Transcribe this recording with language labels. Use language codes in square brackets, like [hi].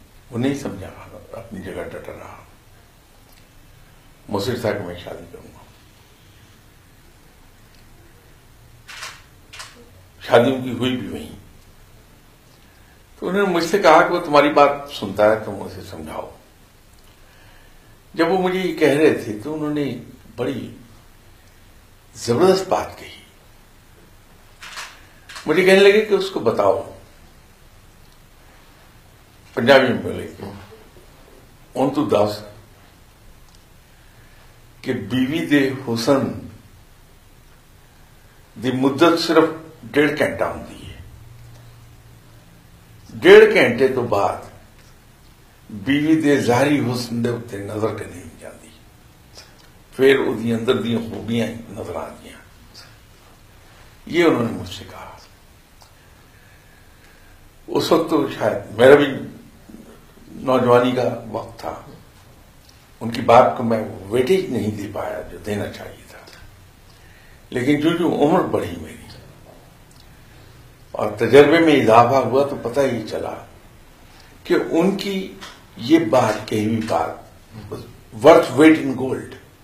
[ur] وہ نہیں سمجھا، اپنی جگہ ڈٹا رہا. مصر صاحب کو میں شادی کروں گا، شادیوں کی ہوئی بھی وہیں. تو انہوں نے مجھ سے کہا کہ وہ تمہاری بات سنتا ہے، تم اسے سمجھاؤ. جب وہ مجھے یہ کہہ رہے تھے تو انہوں نے بڑی زبردست بات کہی. مجھے کہنے لگے کہ اس کو بتاؤ [pa] پنجابی میں بولے اون تو دس کہ بیوی دے حسن دی مدت صرف ڈیڑھ گھنٹہ ہوندی ہے، ڈیڑھ گھنٹے تو بعد بیوی دے ظاہری حسن دے اتنے نظر کرنے نہیں جاندی، پھر اودی اندر دی خوبیاں نظر آدیاں. [ur] یہ انہوں نے مجھ سے کہا. اس وقت تو شاید میرا بھی نوجوانی کا وقت تھا، ان کی بات کو میں ویٹیج نہیں دے پایا جو دینا چاہیے تھا. لیکن جو جو عمر بڑھی میری اور تجربے میں اضافہ ہوا تو پتہ ہی چلا کہ ان کی یہ بات کہی ہوئی بات [en] Worth weight in gold.